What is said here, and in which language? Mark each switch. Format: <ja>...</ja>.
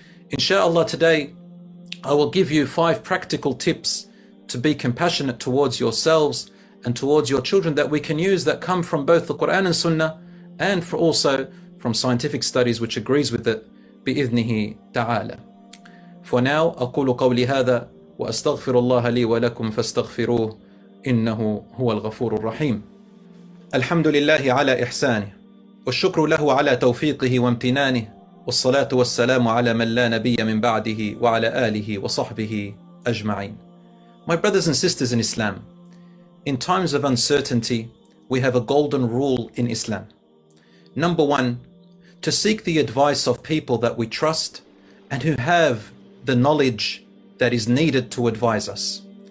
<en>Inshallah, today, I will give you 5 practical tips to be compassionate towards yourselves and towards your children that we can use, that come from both the Quran and Sunnah, and for also from scientific studies which agrees with it, bi-idhnihi ta'ala. For now,</en> <ar>أقول قولي هذا وأستغفر الله لي ولكم فاستغفروه إنه هو الغفور الرحيم. الحمد لله على إحسانه والشكر له على توفيقه وامتنانه والصلاة والسلام على من لا نبي من بعده وعلى آله وصحبه أجمعين.</ar> <en>My brothers and sisters in Islam, in times of uncertainty, we have a golden rule in Islam. Number one, to seek the advice of people that we trust and who have the knowledge that is needed to advise us.</en>